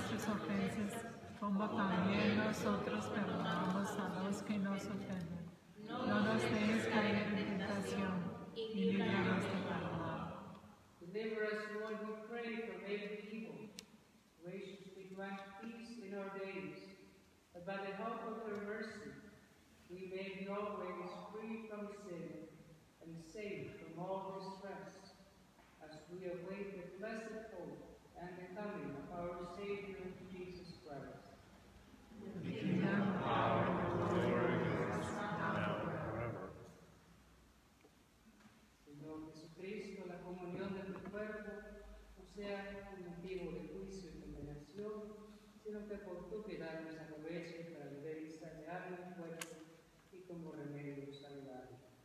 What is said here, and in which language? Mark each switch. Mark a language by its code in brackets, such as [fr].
[es] ofensas, como también nosotros perdonamos a los que nos ofenden. No nos dejes caer en tentación y líbranos de mal. [en] Deliver us, Lord, we pray, from every evil. Graciously grant peace in our days, that by the help of your mercy, we may be always free from sin and safe from all distress, as we await the blessed hope and the coming of our Savior, Jesus Christ. The kingdom, power, and glory is now and forever. [es] Señor Jesucristo, la comunión de tu cuerpo, no sea un motivo de juicio y condenación, sino que por tu piedad nos aproveche para vivir y sanear el cuerpo y como remedio saludable.